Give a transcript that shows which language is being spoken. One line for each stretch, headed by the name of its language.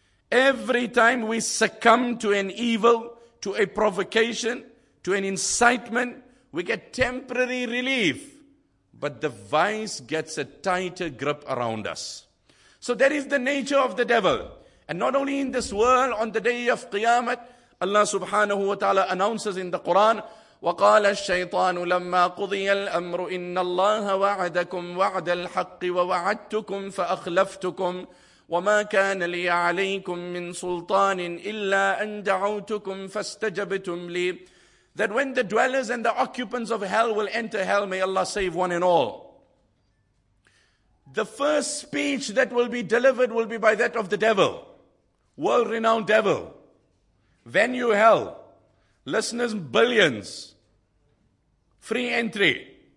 English: Every time we succumb to an evil, to a provocation, to an incitement, we get temporary relief, but the vice gets a tighter grip around us. So that is the nature of the devil. And not only in this world, on the day of Qiyamah, Allah subhanahu wa ta'ala announces in the Quran,
Arabic: وَقَالَ الشَّيْطَانُ لَمَّا قُضِيَ الْأَمْرُ إِنَّ اللَّهَ وَعَدَكُمْ وَعْدَ الْحَقِّ وَوَعَدْتُكُمْ فَأَخْلَفْتُكُمْ وَمَا كَانَ لِي عَلَيْكُمْ مِنْ سُلْطَانٍ إِلَّا أَنْ دَعَوْتُكُمْ فَاسْتَجَبْتُمْ لِي.
English: That when the dwellers and the occupants of hell will enter hell, may Allah save one and all. The first speech that will be delivered will be by that of the devil. World-renowned devil. Venue hell. Listeners, billions. Free entry.